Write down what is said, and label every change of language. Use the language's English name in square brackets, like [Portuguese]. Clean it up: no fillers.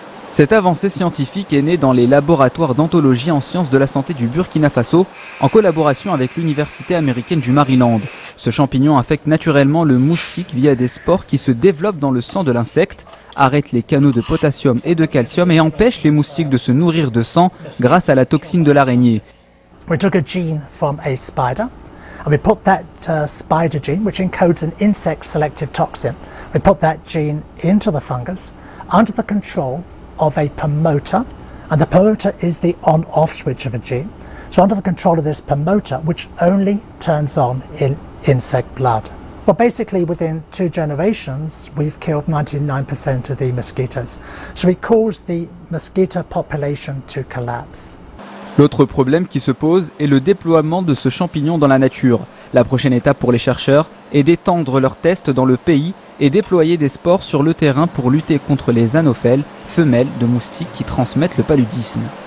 [French] Cette avancée scientifique est née dans les laboratoires d'anthologie en sciences de la santé du Burkina Faso, en collaboration avec l'Université américaine du Maryland. Ce champignon infecte naturellement le moustique via des spores qui se développent dans le sang de l'insecte, arrête les canaux de potassium et de calcium et empêche les moustiques de se nourrir de sang grâce à la toxine de l'araignée. [English] We took a gene from a spider and we put that spider gene, which encodes an insect selective toxin, we put that gene into the fungus under the control of a promoter, and the promoter is the on-off switch of a gene. So under the control of this promoter, which only turns on in insect blood. Well, basically, within 2 generations, we've killed 99% of the mosquitoes. So we caused the mosquito population to collapse. [French] L'autre problème qui se pose est le déploiement de ce champignon dans la nature. La prochaine étape pour les chercheurs est d'étendre leurs tests dans le pays et déployer des spores sur le terrain pour lutter contre les anopheles, femelles de moustiques qui transmettent le paludisme.